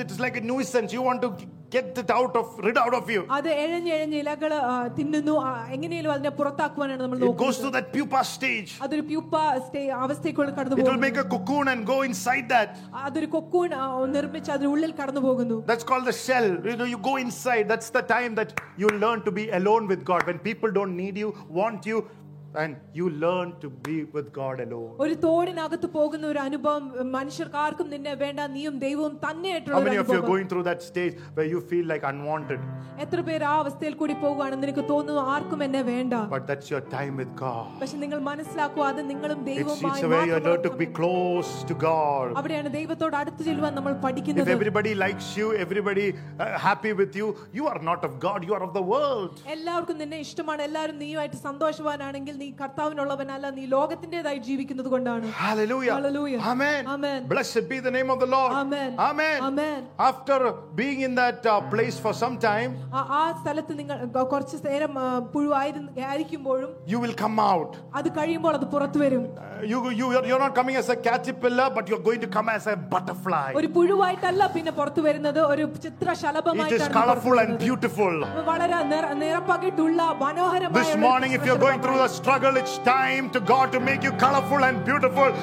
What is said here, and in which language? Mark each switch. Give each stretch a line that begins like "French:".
English: It is like a nuisance. You want to get it out of, rid out of you.
Malayalam: അത് എഴഞ്ഞെഴഞ്ഞ് ഇലകള് തിന്നുന്നു. എങ്ങനെയാണ് അതിനെ പുറത്താക്കുവാനാണ് നമ്മൾ നോക്കുന്നത്.
English: It goes to that pupa stage.
Malayalam: അതൊരു pupa stage അവസ്ഥയിലേക്ക് കടന്നു പോകുന്നു.
English: It will make a cocoon and go inside that.
Malayalam: അതൊരു കൊക്കൂൺ നിർമ്മിച്ച് അതിനുള്ളിൽ കടന്നു പോകുന്നു.
English: That's called the shell. You know, you go inside. That's the time that you learn to be alone with God. When people don't need you, want you, and you learn to be with God alone.
Malayalam: ഒരു തോടിനകത്ത് പോകുന്ന ഒരു അനുഭവം മനുഷ്യർക്കാർക്കും നിന്നെ വേണ്ട, നീയും ദൈവവും തന്നെയായിട്ടുള്ള അനുഭവം.
English: How many of you are going through that stage where you feel like unwanted?
Malayalam: എത്ര പേർ ആ അവസ്ഥയിൽ കൂടി പോവുകയാണ്, നിനക്ക് തോന്നുന്നു ആർക്കും എന്നെ വേണ്ട.
English: But that's your time with God.
Malayalam: പക്ഷേ നിങ്ങൾ മനസ്സിലാക്കുക, അത് നിങ്ങളും ദൈവവുമായി.
English: It's where you learn to be close to God.
Malayalam: അവിടെയാണ് ദൈവത്തോട് അടുത്ത് ചെല്ലുവാൻ നമ്മൾ പഠിക്കുന്നത്.
English: If everybody likes you, everybody happy with you, you are not of God, you are of the world.
Malayalam: എല്ലാവർക്കും നിന്നെ ഇഷ്ടമാണ്, എല്ലാവരും നീയുമായിട്ട് സന്തോഷവാനാണെങ്കിൽ നീ കർത്താവിനുള്ളവനല്ല, നീ ലോകത്തിന്റേതായി ജീവിക്കുന്നത് കൊണ്ടാണ്.
English: Hallelujah. Hallelujah. Amen. Amen. Blessed be the name of the Lord. Amen. Amen. Amen. After being in that place for some time,
Malayalam: ആ സ്ഥലത്ത് നിങ്ങൾ കുറച്ച് നേരം പുഴുവായിരിക്കുമ്പോഴും,
English: you will come out.
Malayalam: അത് കഴിയുമ്പോൾ അത് പുറത്തു വരും.
English: You are not coming as a caterpillar, but you are going to come as a butterfly.
Malayalam: ഒരു പുഴുവായിട്ടല്ല പിന്നെ പുറത്തു വരുന്നത്, ഒരു ചിത്രശലഭമായിട്ടാണ്.
English: It is colorful and beautiful.
Malayalam: വളരെ നിറപ്പകിട്ടുള്ള മനോഹരമായ.
English: This morning if you are going through a struggle, struggle. It's time to God to make you colorful and beautiful.